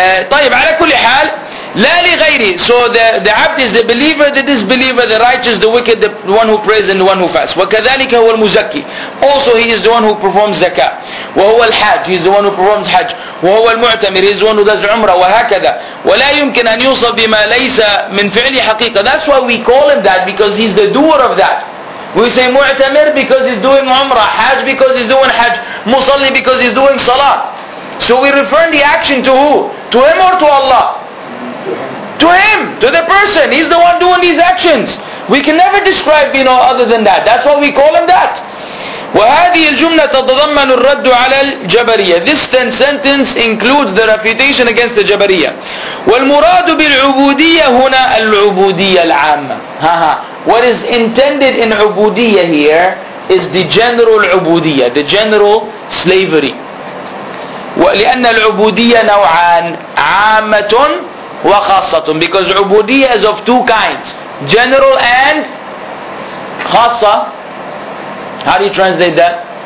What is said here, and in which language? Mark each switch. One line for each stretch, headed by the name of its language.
Arabic: طيب, على كل حال, لا لغيره.
English: So the abd is the believer, the disbeliever, the righteous, the wicked, the one who prays and the one who fasts.
Arabic: وكذلك هو المزكي.
English: Also he is the one who performs zakah.
Arabic: وهو الحاج,
English: he is the one who performs hajj.
Arabic: وهو المعتمر,
English: he is the one who does umrah.
Arabic: وهكذا. ولا يمكن أن يوصف بما ليس من فعل حقيقة.
English: That's why we call him that, because he's the doer of that. We say mu'tamir because he's doing umrah, hajj because he's doing hajj, musalli because he's doing salah. So we refer the action to who? To him or to Allah? To him, to the person. He's the one doing these actions. We can never describe, you know, other than that. That's why we call him that.
Arabic: وهذه الجملة تتضمن الرد على الجبرية.
English: This sentence includes the refutation against the جبرية.
Arabic: والمراد بالعبودية هنا العبودية العامة.
English: What is intended in عبودية here is the general عبودية, the general slavery.
Arabic: ولأن العبودية نوعان, عامة وخاصة.
English: Because عبودية is of two kinds, general and خاصة. How do you translate that?